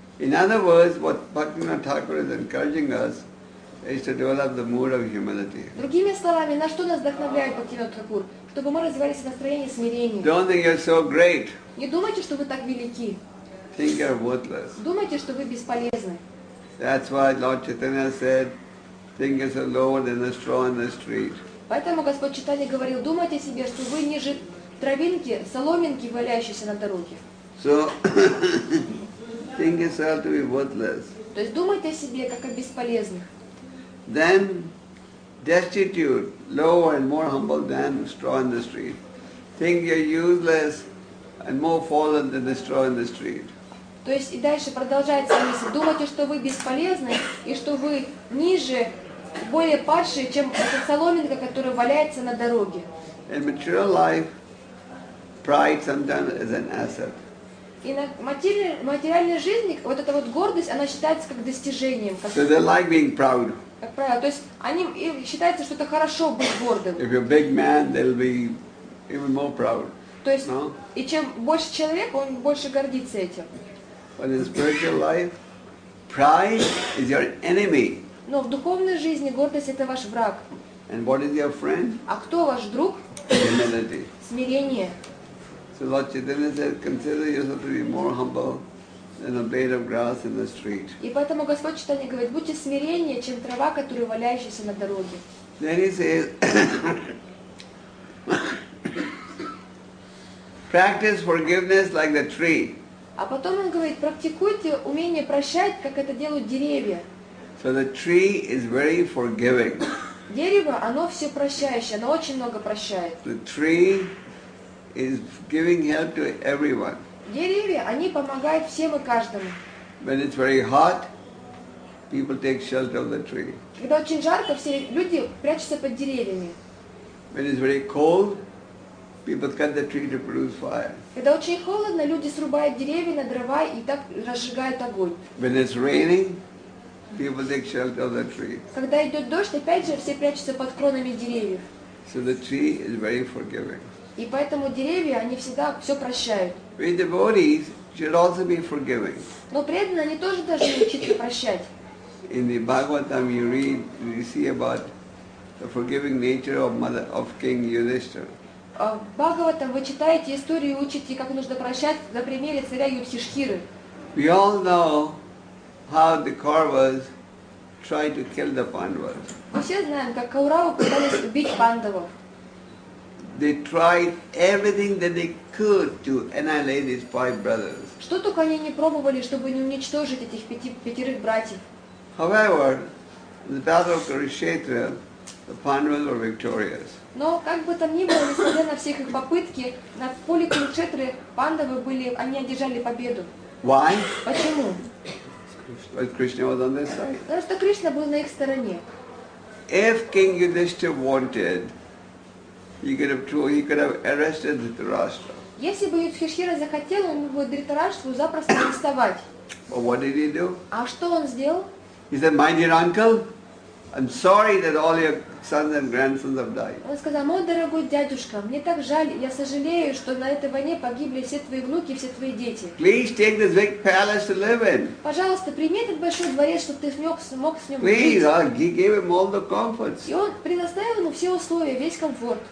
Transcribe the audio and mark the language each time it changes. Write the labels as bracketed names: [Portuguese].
[English] In other words, what Bhaktivinoda Thakur is encouraging us is to develop the mood of humility. [Russian] Другими словами, на что нас вдохновляет Бхактивинода Тхакур? Чтобы мы развивались в настроении смирения. [English] Don't think you're so great. [Russian] Не думайте, что вы так велики. [English] Think you're worthless. [Russian] Думайте, что вы бесполезны. [English] That's why Lord Chaitanya said, think you're so lower than a straw in the street. [Russian] Поэтому Господь Чайтанья говорил, думайте о себе, что вы ниже травинки, соломинки, валяющейся на дороге. [English] So, think yourself to be worthless. [Russian] То есть думайте о себе, как о бесполезных. [English] Then, destitute, lower and more humble than the straw in the street. Think you're useless and more fallen than the straw in the street. [Russian] То есть и дальше продолжается мысль. Думайте, что вы бесполезны и что вы ниже, более падшие, чем эта соломинка, которая валяется на дороге. [English] In material life, pride sometimes is an asset. [Russian] И на материальной жизни вот эта вот гордость, она считается как достижением. [English] So they like being proud. [Russian] Как правило, то есть они считается, что это хорошо быть гордым. [English] If you're a big man, they'll be even more proud. [Russian] То есть no? И чем больше человек, он больше гордится этим. [English] But in spiritual life, pride is your enemy. [Russian] Но в духовной жизни гордость – это ваш враг. [English] And what is your friend? [Russian] А кто ваш друг? [English] Humility. [Russian] Смирение. [English] So Lord Chaitanya said, consider yourself to be more humble than a blade of grass in the street. [Russian] И поэтому Господь Читание говорит, будьте смиреннее, чем трава, которая валяющаяся на дороге. [English] Then he says, practice forgiveness like the tree. [Russian] А потом он говорит, практикуйте умение прощать, как это делают деревья. [English] So the tree is very forgiving. [Russian] Дерево, оно все прощающее, оно очень много прощает. [English] The tree is giving help to everyone. [Russian] Деревья, они помогают всем и каждому. [English] When it's very hot, people take shelter of the tree. [Russian] Когда очень жарко, все люди прячутся под деревьями. [English] When it's very cold, people cut the tree to produce fire. [Russian] Когда очень холодно, люди срубают деревья на дрова и так разжигают огонь. [English] When it's raining, people take shelter of the tree. [Russian] Когда идет дождь, опять же все прячутся под кронами деревьев. [English] So the tree is very forgiving. [Russian] И поэтому деревья, они всегда все прощают. [English] We devotees should also be forgiving. [Russian] Но преданные, они тоже должны учиться прощать. [English] In the Bhagavatam you read, you see about the forgiving nature of mother of King Yudhishthira. [Russian] В Бхагаватам вы читаете историю и учите, как нужно прощать на примере царя Юдхиштхиры. [English] We all know how the Kauravas tried to kill the Pandavas. [Russian] Мы все знаем, как Кауравы пытались убить Пандавов. [English] They tried everything that they could to annihilate these five brothers. [Russian] Что только они не пробовали, чтобы не уничтожить этих пятерых братьев. [English] However, in the battle of Kurukshetra, the Pandavas were victorious. [Russian] Но как бы там ни было, несмотря на все их попытки, на поле Курукшетры Пандавы были, они одержали победу. [English] Why? [Russian] Почему? [English] But Krishna was on their side. [Russian] Потому что Кришна был на их стороне. [English] If King Yudhishthira wanted, he could have arrested Dhritarashtra. [Russian] Если бы Юдхиштхира захотел, он бы Дхритараштру запросто арестовать. [English] But what did he do? [Russian] А что он сделал? [English] He said, "My dear uncle, I'm sorry that all your sons and grandsons have died." [Russian] Он сказал, мой дорогой дядюшка, мне так жаль, я сожалею, что на этой войне погибли все твои внуки, все твои дети. [English] Please take this big palace to live in. [Russian] Пожалуйста, прими этот большой дворец, чтобы ты смог с ним жить. [English] Please, he gave him all the comforts. [Russian] И он предоставил ему все условия, весь комфорт.